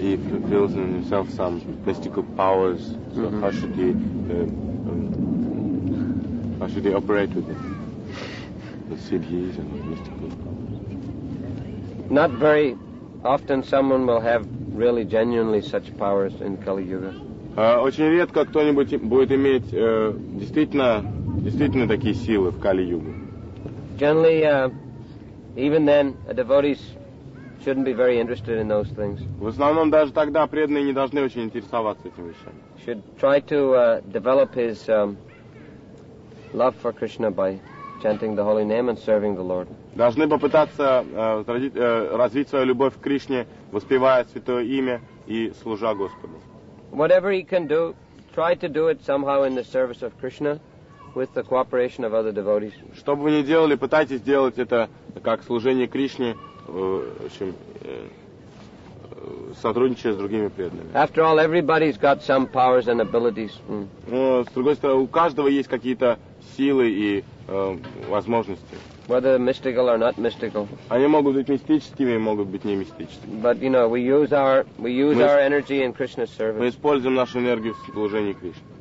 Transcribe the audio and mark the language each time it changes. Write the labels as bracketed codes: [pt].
[en] He feels in himself some mystical powers. So mm-hmm. How should he operate with it? The cities and mystical powers. Not very often someone will have really genuinely such powers in Kali Yuga. [ru] Очень редко кто-нибудь будет иметь действительно такие силы в Кали-Югу. [en] Generally, even then, a devotee shouldn't be very interested in those things. [ru] В основном даже тогда преданные не должны очень интересоваться этими вещами. [en] Should try to develop his love for Krishna by chanting the holy name and serving the Lord. [ru] Должны попытаться развить свою любовь к Кришне, воспевая святое имя и служа Господу. [en] Whatever he can do, try to do it somehow in the service of Krishna. With the cooperation of other devotees. [ru] Что бы вы ни делали, пытайтесь делать это как служение Кришне, в общем, сотрудничая с другими преданными. [en] After all, everybody's got some powers and abilities. [ru] С другой стороны, у каждого есть какие-то силы и возможности. [en] Whether mystical or not mystical. [ru] Они могут быть мистическими, могут быть не мистическими. [en] But you know, we use our energy in Krishna's service. [ru] Мы используем нашу энергию в служении Кришне.